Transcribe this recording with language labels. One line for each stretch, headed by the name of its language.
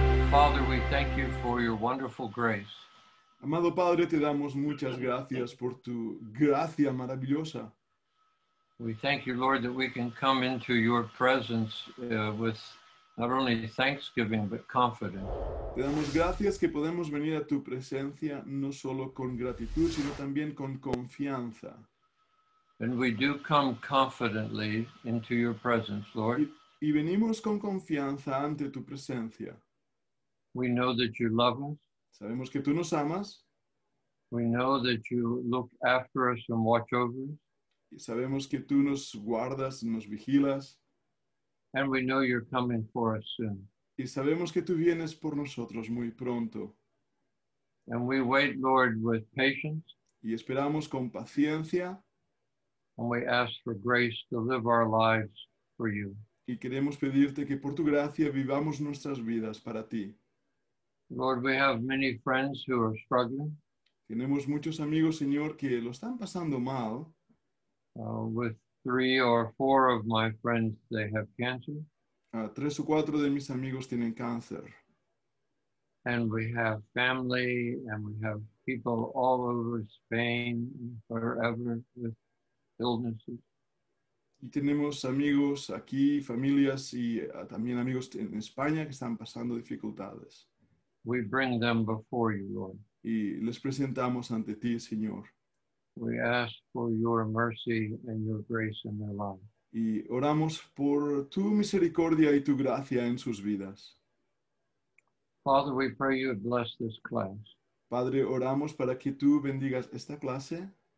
English: Father, we thank you for your wonderful grace.
Spanish: Amado Padre, te damos muchas gracias por tu gracia maravillosa.
English: We thank you, Lord, that we can come into your presence with not only thanksgiving but confidence.
Spanish: Te damos gracias que podemos venir a tu presencia no solo con gratitud sino también con confianza.
English: And we do come confidently into your presence, Lord.
Spanish: Y venimos con confianza ante tu presencia.
English: We know that you love us.
Spanish: Sabemos que tú nos amas.
English: We know that you look after us and watch over us.
Spanish: Y sabemos que tú nos guardas, nos vigilas.
English: And we know you're coming for us soon.
Spanish: Y sabemos que tú vienes por nosotros muy pronto.
English: And we wait, Lord, with patience.
Spanish: Y esperamos con paciencia.
English: And we ask for grace to live our lives for you.
Spanish: Y queremos pedirte que por tu gracia vivamos nuestras vidas para ti.
English: Lord, we have many friends who are struggling.
Spanish: Tenemos muchos amigos, Señor, que lo están pasando mal.
English: With three or four of my friends, they have cancer.
Spanish: Tres o cuatro de mis amigos tienen cáncer.
English: And we have family, and we have people all over Spain, wherever, with illnesses.
Spanish: Y tenemos amigos aquí, familias, y también amigos en España que están pasando dificultades.
English: We bring them before you, Lord.
Spanish: Y les presentamos ante ti, Señor.
English: We ask for your mercy and your grace in their lives.
Spanish: Y oramos por tu misericordia y tu gracia en sus vidas.
English: Father, we pray you bless this class.
Spanish: Padre, oramos para que tú bendigas esta clase.